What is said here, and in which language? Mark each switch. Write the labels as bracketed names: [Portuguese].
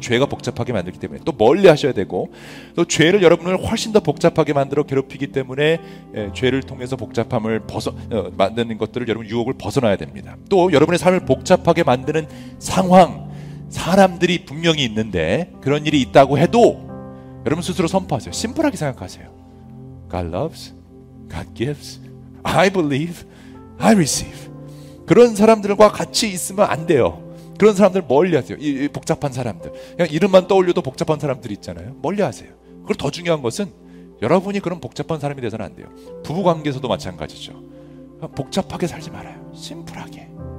[Korean] 죄가 복잡하게 만들기 때문에 또 멀리 하셔야 되고, 또 죄를 여러분을 훨씬 더 복잡하게 만들어 괴롭히기 때문에 죄를 통해서 복잡함을 만드는 것들을 여러분 유혹을 벗어나야 됩니다. 또 여러분의 삶을 복잡하게 만드는 상황, 사람들이 분명히 있는데 그런 일이 있다고 해도 여러분 스스로 선포하세요. 심플하게 생각하세요. [English] God loves, God gives, I believe, I receive. [Korean] 그런 사람들과 같이 있으면 안 돼요. 그런 사람들 멀리하세요. 이 복잡한 사람들. 그냥 이름만 떠올려도 복잡한 사람들 있잖아요. 멀리하세요. 그리고 더 중요한 것은 여러분이 그런 복잡한 사람이 돼서는 안 돼요. 부부관계에서도 마찬가지죠. 복잡하게 살지 말아요. 심플하게.